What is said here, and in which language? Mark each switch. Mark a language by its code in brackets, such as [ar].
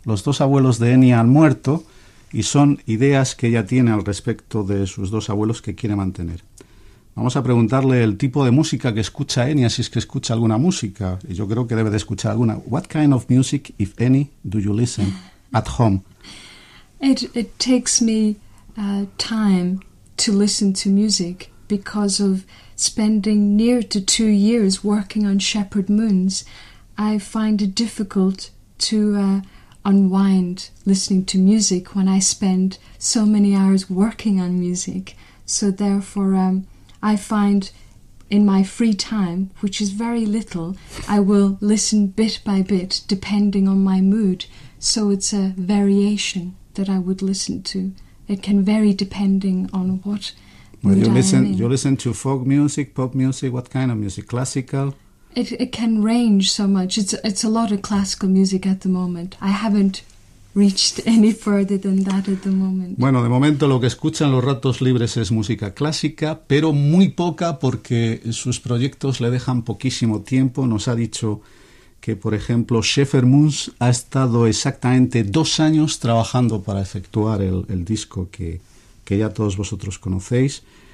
[es] Los dos abuelos de Enya han muerto y son ideas que ella tiene al respecto de sus dos abuelos que quiere mantener. Vamos a preguntarle el tipo de música que escucha Enya, si es que escucha alguna música. Yo creo que debe de escuchar alguna. [en] What kind of music, if any, do you listen at home? It takes me time to listen to music because of spending near to 2 years working on Shepherd Moons. I find it difficult to unwind listening to music when I spend so many hours working on music. So therefore, I find in my free time, which is very little, I will listen bit by bit depending on my mood. So it's a variation that I would listen to. It can vary depending on what mood you listen. You listen to folk music, pop music, what kind of music? Classical? It can range so much. It's a lot of classical music at the moment. I haven't reached any further than that at the moment. [es] Bueno, de momento lo que escucha en los ratos libres es música clásica, pero muy poca porque sus proyectos le dejan poquísimo tiempo. Nos ha dicho que, por ejemplo, Shepherd Moons ha estado exactamente 2 años trabajando para efectuar el disco que ya todos vosotros conocéis.